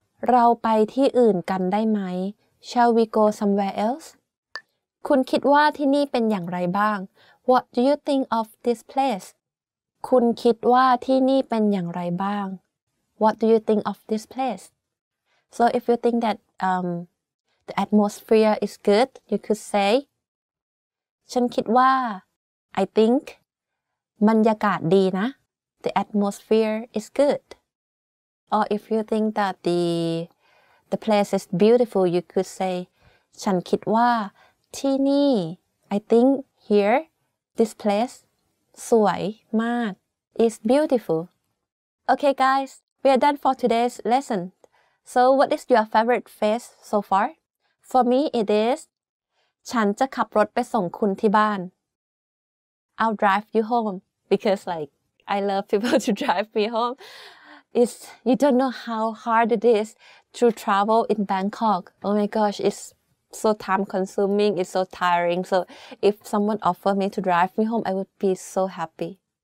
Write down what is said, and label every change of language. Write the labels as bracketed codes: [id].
[th] เราไปที่อื่นกันได้ไหม [en] Shall we go somewhere else? [th] คุณคิดว่าที่นี่เป็นอย่างไรบ้าง [en] What do you think of this place? [th] คุณคิดว่าที่นี่เป็นอย่างไรบ้าง [en] What do you think of this place? So if you think that the atmosphere is good, you could say [th] ฉันคิดว่า [en] I think. [th] บรรยากาศดีนะ [en] The atmosphere is good. Or if you think that the The place is beautiful. You could say, [th] ฉันคิดว่าที่นี่ [en] I think here, this place, [th] สวยมาก [en] It's beautiful. Okay, guys, we are done for today's lesson. So what is your favorite phrase so far? For me, it is, [th] ฉันจะขับรถไปส่งคุณที่บ้าน [en] I'll drive you home. Because like, I love people to drive me home. It's, you don't know how hard it is to travel in Bangkok. Oh my gosh, it's so time consuming. It's so tiring. So if someone offered me to drive me home, I would be so happy.